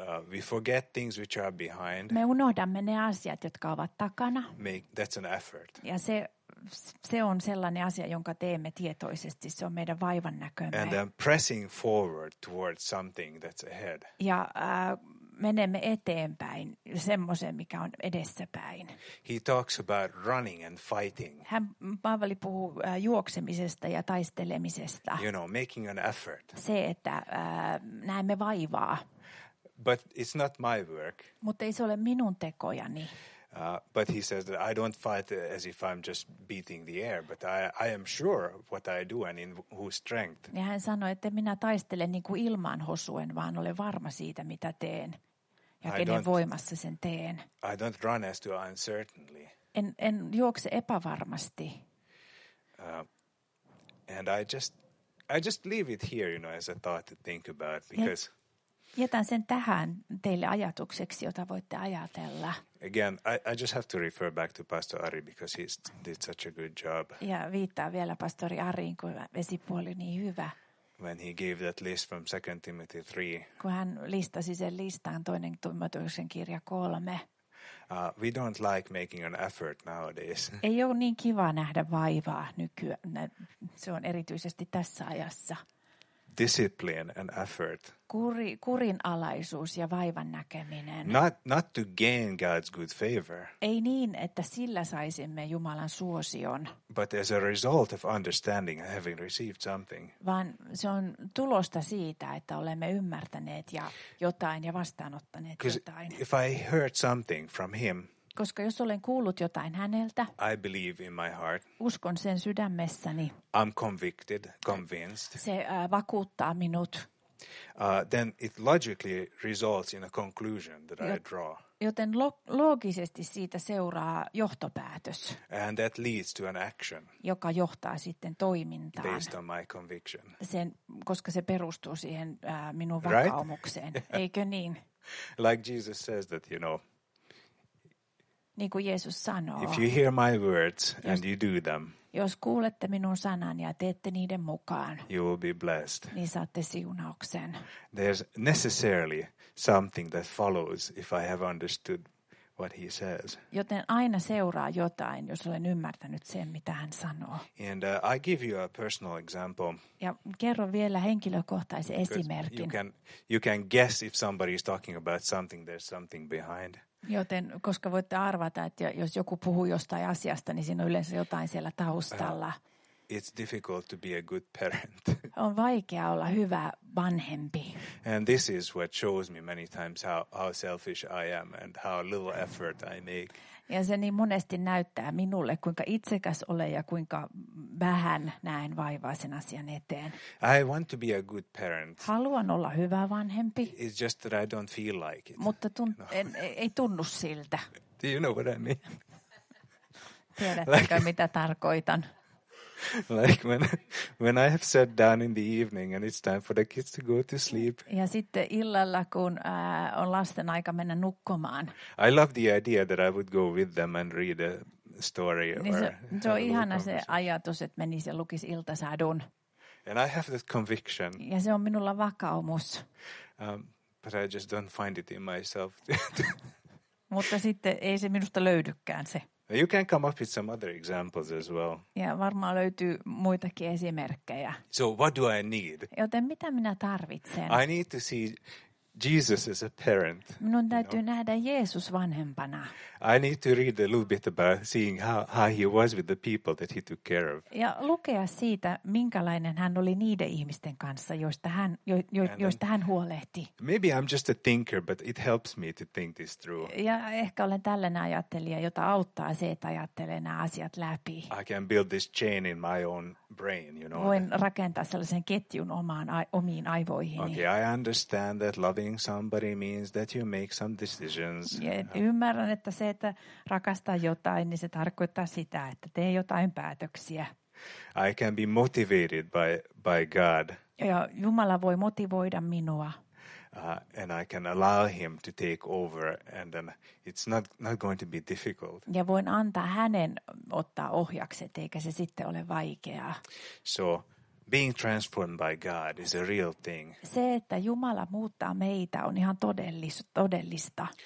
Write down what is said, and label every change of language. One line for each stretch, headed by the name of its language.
English: We forget things which are behind.
Finnish: Me unohdamme ne asiat, jotka ovat takana.
English: That's an effort.
Finnish: Ja se on sellainen asia, jonka teemme tietoisesti. Se on meidän vaivan näkömme.
English: And then pressing forward towards something that's ahead.
Finnish: Ja menemme eteenpäin semmoiseen, mikä on edessäpäin.
English: He talks about running and fighting.
Finnish: Paavali puhuu juoksemisesta ja taistelemisesta.
English: You know, making an effort.
Finnish: Se, että näemme vaivaa.
English: But it's not my work.
Finnish: Mutta ei se ole minun tekojani.
English: But he says that I don't fight as if I'm just beating the air, but I am sure what I do and in whose strength.
Finnish: Ja hän sanoi, että minä taistelen niin kuin ilmaan hosuen, vaan olen varma siitä, mitä teen ja kenen voimassa sen teen.
English: I don't run as to uncertainly.
Finnish: En juokse epävarmasti.
English: And I just leave it here, you know, as a thought to think about, because...
Finnish: Jätän sen tähän teille ajatukseksi, jota voitte ajatella.
English: Again, I just have to refer back to Pastor Ari because he did such a good job.
Finnish: Ja viittaa vielä pastori Ariin, kun vesipuoli niin hyvä.
English: When he gave that list from 2 Timothy 3.
Finnish: Kun hän listasi sen listaan, toinen Timoteuksen kirja 3.
English: We don't like making an effort nowadays.
Finnish: Ei ole niin kiva nähdä vaivaa nykyään. Se on erityisesti tässä ajassa.
English: Discipline and effort.
Finnish: Kurinalaisuus ja vaivan näkeminen.
English: Not to gain God's good favor.
Finnish: Ei niin, että sillä saisimme Jumalan suosion.
English: But as a result of understanding and having received something.
Finnish: Vaan se on tulosta siitä, että olemme ymmärtäneet ja jotain ja vastaanottaneet jotain.
English: If I heard something from him.
Finnish: Koska jos olen kuullut jotain häneltä,
English: I believe in my heart.
Finnish: Uskon sen sydämessäni.
English: I'm convicted, convinced.
Finnish: Se vakuuttaa minut.
English: Then it logically results in a conclusion that I draw.
Finnish: Joten loogisesti siitä seuraa johtopäätös.
English: And that leads to an action.
Finnish: Joka johtaa sitten toimintaan.
English: Based on my conviction.
Finnish: Sen, koska se perustuu siihen minun vakaumukseen.
English: Right?
Finnish: Eikö niin?
English: Like Jesus says that, you know.
Finnish: Niin kuin Jeesus sanoo.
English: If you hear my words and you do them.
Finnish: Jos kuulette minun sanan ja teette niiden mukaan.
English: You will be blessed.
Finnish: Niin saatte siunauksen.
English: There's necessarily something that follows if I have understood what he says.
Finnish: Joten aina seuraa jotain, jos olen ymmärtänyt sen, mitä hän sanoo.
English: And I give you a personal example.
Finnish: Ja kerron vielä henkilökohtaisen esimerkin.
English: You can guess if somebody is talking about something, there's something behind.
Finnish: Joten, koska voitte arvata, että jos joku puhuu jostain asiasta, niin siinä on yleensä jotain siellä taustalla.
English: It's difficult to be a good parent.
Finnish: On vaikea olla hyvä vanhempi.
English: And this is what shows me many times how selfish I am and how little effort I make.
Finnish: Ja se niin monesti näyttää minulle, kuinka itsekäs olen ja kuinka vähän näen vaivaa sen asian eteen.
English: I want to be a good parent.
Finnish: Haluan olla hyvä vanhempi.
English: It's just that I don't feel like it.
Finnish: Mutta ei tunnu siltä.
English: Do you know what I mean?
Finnish: Tiedättekö, mitä tarkoitan?
English: Like when I have sat down in the evening and it's time for the kids to go to sleep.
Finnish: Ja sitten illalla, kun on lasten aika mennä nukkumaan.
English: I love the idea that I would go with them and read a story.
Finnish: Niin se on ihana se ajatus, että menisi ja lukisi iltasadun.
English: And I have that conviction.
Finnish: Ja se on minulla vakaumus.
English: But I just don't find it in myself.
Finnish: Mutta sitten ei se minusta löydykään se.
English: You can come up with some other examples as well.
Finnish: Ja varmaan löytyy muitakin esimerkkejä.
English: So what do I need?
Finnish: Joten mitä minä tarvitsen?
English: I need to see Jesus as a parent.
Finnish: Minun täytyy nähdä Jeesus vanhempana.
English: I need to read a little bit about seeing how he was with the people that he took care of.
Finnish: Ja lukea siitä, minkälainen hän oli niiden ihmisten kanssa, joista hän huolehti.
English: Maybe I'm just a thinker, but it helps me to think this through.
Finnish: Ja ehkä olen tällainen ajattelija, jota auttaa se, että ajattelee nämä asiat läpi.
English: I can build this chain in my own brain, you know.
Finnish: Voin rakentaa sellaisen ketjun omiin aivoihini.
English: Okay, I understand that loving somebody means that you make some decisions.
Finnish: Ymmärrän, että se, että rakastaa jotain, niin se tarkoittaa sitä, että tee jotain päätöksiä.
English: I can be motivated by God.
Finnish: Ja Jumala voi motivoida minua.
English: And I can allow him to take over, and then it's not going to be difficult.
Finnish: Ja voin antaa hänen ottaa ohjakset, eikä se sitten ole vaikeaa.
English: So being transformed by God is a real thing.
Finnish: Se, että Jumala muuttaa meitä, on ihan todellista.